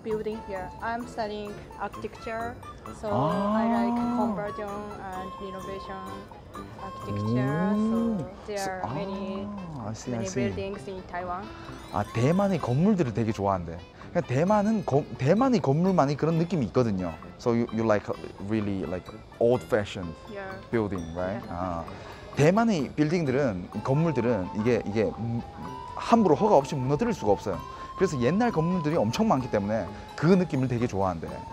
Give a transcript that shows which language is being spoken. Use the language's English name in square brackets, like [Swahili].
[English] Building, yeah. I'm studying architecture, so I like conversion and renovation architecture. Ooh. So there are many buildings in Taiwan. [Korean] 아, 대만의 건물들을 되게 좋아한대. 그냥 대만의 건물만이 그런 느낌이 있거든요. [English] So you like really like old-fashioned building, right? Yeah. [Korean] 아, 대만의 빌딩들은 건물들은 이게 함부로 허가 없이 무너뜨릴 수가 없어요. 그래서 옛날 건물들이 엄청 많기 때문에 그 느낌을 되게 좋아한대.